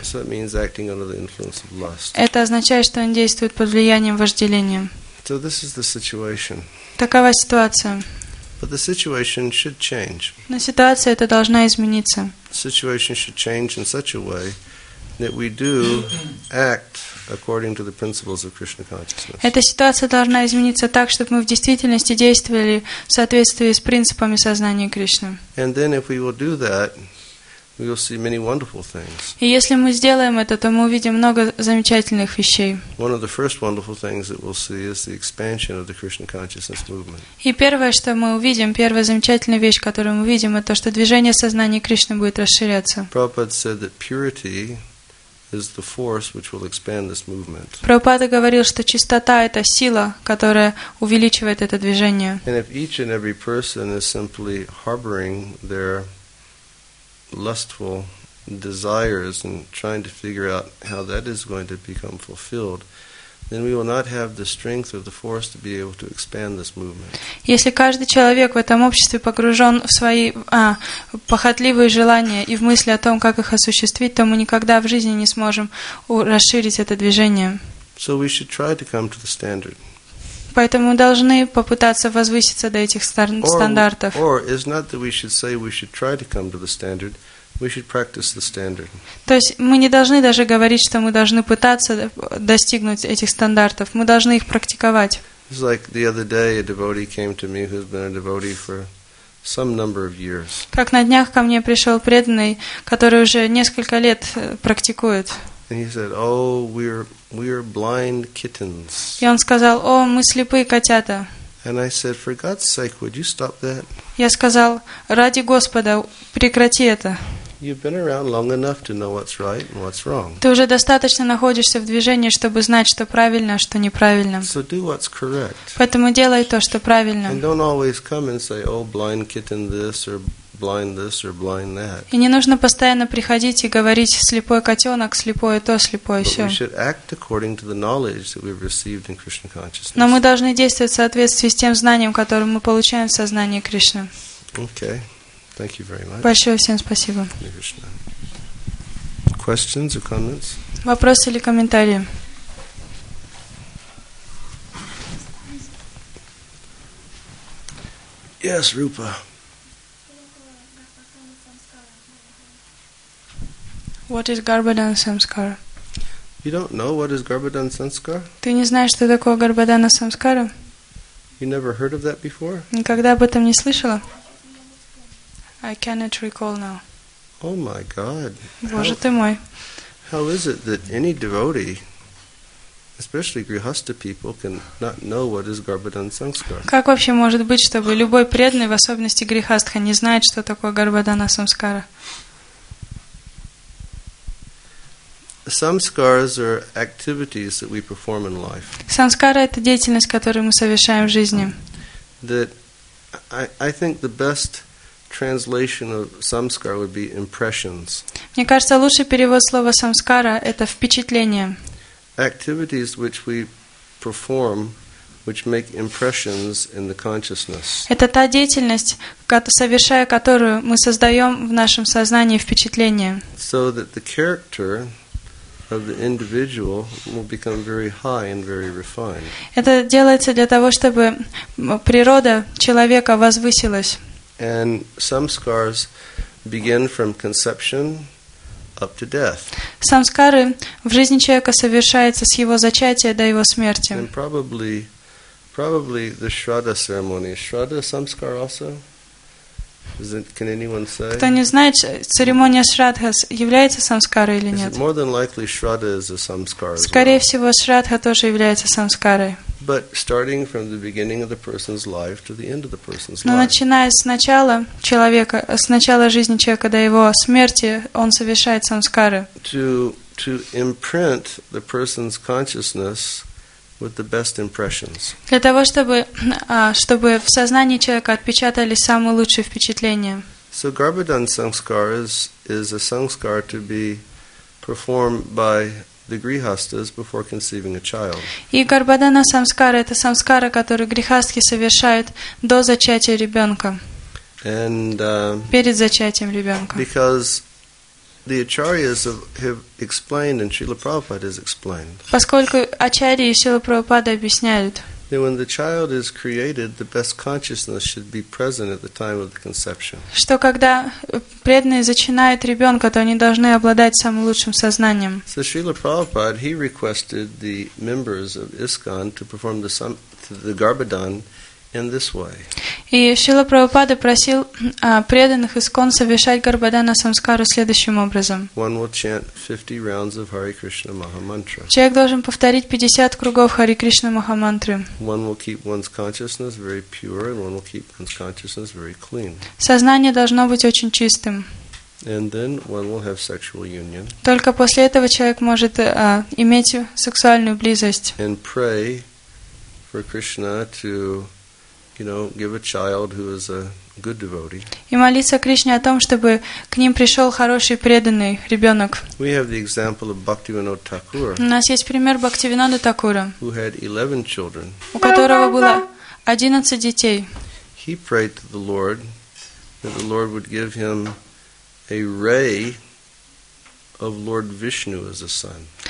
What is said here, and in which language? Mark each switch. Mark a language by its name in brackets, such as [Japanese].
[English] So it means acting under the influence of lust. [Russian] Это означает, что они действуют под влиянием вожделения. [English] So this is the situation. [Russian] Такова ситуация. [English] But the situation should change. [Russian] Но ситуация эта должна измениться. [English] Situation should change in such a way that we do act according to the principles of Krishna consciousness. [Russian] Эта ситуация должна измениться так, чтобы мы в действительности действовали в соответствии с принципами сознания Кришны. [English] And then if we will do that, we will see many wonderful things. [Russian] И если мы сделаем это, то мы увидим много замечательных вещей. [English] One of the first wonderful things that we'll see is the expansion of the Krishna consciousness movement. [Russian] И первое, что мы увидим, первая замечательная вещь, которую мы видим, это то, что движение сознания Кришны будет расширяться. [English] Prabhupada said that purity is the force which will expand this movement. [Russian] Прабхупада говорил, что чистота это сила, которая увеличивает это движение. [English] And if each and every person is simply harboring their lustful desires and trying to figure out how that is going to become fulfilled, then we will not have the strength or the force to be able to expand this movement. [Russian] Если каждый человек в этом обществе погружен в свои похотливые желания и в мысли о том, как их осуществить, то мы никогда в жизни не сможем расширить это движение. [English] So we should try to come to the standard. [Russian] Поэтому мы должны попытаться возвыситься до этих стандартов. [English] Or it's not that we should say we should try to come to the standard. We should practice the standard. [Russian] То есть мы не должны даже говорить, что мы должны пытаться достигнуть этих стандартов. Мы должны их практиковать. [English] It's like the other day a devotee came to me who's been a devotee for some number of years. [Russian] Как на днях ко мне пришел преданный, который уже несколько лет практикует. [English] And he said, "Oh, we're blind kittens." [Russian] И он сказал: "О, мы слепые котята." [English] And I said, "For God's sake, would you stop that?" [Russian] Я сказал: "Ради Господа, прекрати это." [English] You've been around long enough to know what's right and what's wrong. [Russian] Ты уже достаточно находишься в движении, чтобы знать, что правильно, что неправильно. [English] So do what's correct. [Russian] Поэтому делай то, что правильно. [English] And don't always come and say, "Oh, blind kitten, this or blind this or blind that." [Russian] И не нужно постоянно приходить и говорить: слепой котенок, слепое то, слепое все. [English] We should act according to the knowledge that we've received in Krishna consciousness. [Russian] Но мы должны действовать в соответствии с тем знанием, которое мы получаем в сознании Кришны. [English] Okay. Thank you very much. [Russian] Большое всем спасибо. [English] Questions or comments? [Russian] Вопросы или комментарии? [English] Yes, Rupa. What is Garbhadana Samskara? You don't know what is Garbhadana Samskara? [Russian] Ты не знаешь, что такое Garbhadana Samskara? [English] You never heard of that before? [Russian] Никогда об этом не слышала. [English] I cannot recall now. Oh my God. [Russian] Боже ты мой. [English] How is it that any devotee, especially grihastha people, can not know what is Garbhadana Samskara? [Russian] Как вообще может быть, чтобы любой преданный, в особенности грихастха, не знает, что такое Garbhadana Samskara? [English] Samskaras are activities that we perform in life. [Russian] Samskara – это деятельность, которую мы совершаем в жизни. [English] That I think the best translation of samskara would be impressions. [Russian] Мне кажется, лучший перевод слова самскара – это впечатление. [English] Activities which we perform which make impressions in the consciousness. [Russian] Это та деятельность, совершая которую мы создаем в нашем сознании впечатление. [English] So that the character of the individual will become very high and very refined. [Russian] Это делается для того, чтобы природа человека возвысилась. [English] And some scars begin from conception up to death. [Russian] Самскары в жизни человека совершаются с его зачатия до его смерти. [English] And probably the Shraddha ceremony. Shraddha samskar also? Can anyone say? [Russian] Кто не знает, церемония Шрадха является самскарой или нет? [English] More than likely, Shraddha is a samskar. [Russian] Скорее всего, Шрадха тоже является самскарой. [English] But starting from the beginning of the person's life to the end of the person's life. [Russian] Но начиная с начала человека, с начала жизни человека до его смерти, он совершает самскары. [English] To imprint the person's consciousness with the best impressions. [Russian] Для того, чтобы в сознании человека отпечатались самые лучшие впечатления. [English] So Garbhodan Sanskar is a Sanskar to be performed by the Grihasthas before conceiving a child. [Russian] И Garbhodana Sanskara – это самскара, которую грихастхи совершают до зачатия ребенка. [English] And [Russian] перед зачатием ребенка. [English] Because the acharyas have explained, and Srila Prabhupada has explained. [Russian] Поскольку ачарьи и Шрила Прабхупада объясняют. [English] That when the child is created, the best consciousness should be present at the time of the conception. [Russian] Что когда преданные зачинают ребенка, то они должны обладать самым лучшим сознанием. [English] So Srila Prabhupada, he requested the members of ISKCON to perform the Garbhodan in this way. [Russian] И Шрила Прабхупада просил преданных ИСККОН совершать Garbhodana Samskara следующим образом. [English] One will chant 50 rounds of Hare Krishna Maha Mantra. [Russian] Человек должен повторить 50 кругов Hare Krishna Maha Mantra. [English] One will keep one's consciousness very pure and one will keep one's consciousness very clean. [Russian] Сознание должно быть очень чистым. [English] And then one will have sexual union. [Russian] Только после этого человек может иметь сексуальную близость. [English] And pray for Krishna to, you know, give a child who is a good devotee. [Russian] И молиться Кришне о том, чтобы к ним пришел хороший преданный ребенок. [English] We have the example of Bhaktivinod Thakur. [Russian] У нас есть пример Бхактивинода Такура. [English] Who had 11 children. [Russian] У которого было 11 детей. [English] He prayed to the Lord that the Lord would give him a ray of Lord Vishnu as a son.